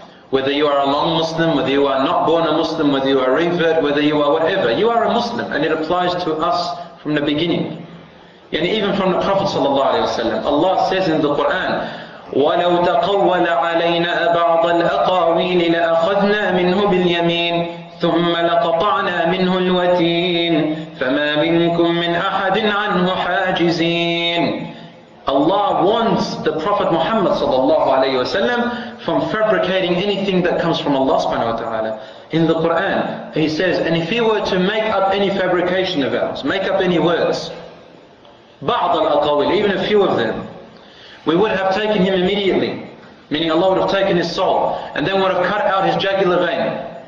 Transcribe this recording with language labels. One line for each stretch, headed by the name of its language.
English: Whether you are a non-Muslim, whether you are not born a Muslim, whether you are a revert, whether you are whatever, you are a Muslim, and it applies to us from the beginning. And even from the Prophet sallallahu alayhi wa sallam, Allah says in the Quran,
Arabic: وَلَوْ تَقَوَّلَ عَلَيْنَا بَعْضَ الْأَقَاوِيلِ لَأَخَذْنَا مِنْهُ بِالْيَمِينِ ثم لقطعنا منه الوتين فما منكم من أحد عنه حاجزين.
English: Allah wants the Prophet Muhammad sallallahu alayhi wa sallam from fabricating anything that comes from Allah subhanahu wa ta'ala. In the Quran, he says, and if he were to make up any fabrication of ours, make up any words,
Arabic: بعض الأقاويل,
English: even a few of them, we would have taken him immediately, meaning Allah would have taken his soul, and then would have cut out his jugular vein.